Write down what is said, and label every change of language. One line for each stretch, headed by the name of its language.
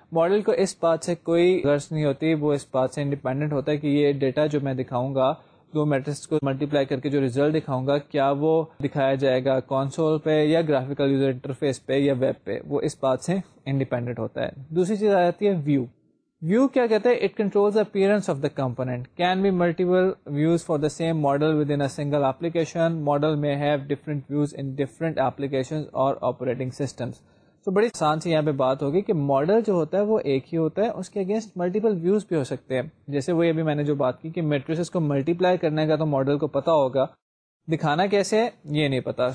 Urdu: Model کو اس بات سے کوئی غرض نہیں ہوتی, وہ اس بات سے انڈیپینڈنٹ ہوتا ہے کہ یہ ڈیٹا جو میں دکھاؤں گا, دو میٹرکس کو ملٹی پلائی کر کے جو ریزلٹ دکھاؤں گا, کیا وہ دکھایا جائے گا کنسول پہ یا گرافیکل یوزر انٹرفیس پہ یا ویب پہ, وہ اس بات سے انڈیپینڈنٹ ہوتا ہے. دوسری چیز آ جاتی ہے ویو. ویو کیا کہتا ہے؟
English: It controls appearance of the component. Can be multiple views for the same model within a single application. Model may have different views in different applications or operating systems.
Urdu: تو بڑی آسان سے یہاں پہ بات ہوگی کہ ماڈل جو ہوتا ہے وہ ایک ہی ہوتا ہے, اس کے اگینسٹ ملٹیپل ویوز بھی ہو سکتے ہیں. جیسے وہی ابھی میں نے جو بات کی کہ میٹریسز کو ملٹی پلائی کرنے کا تو ماڈل کو پتا ہوگا, دکھانا کیسے ہے یہ نہیں پتا.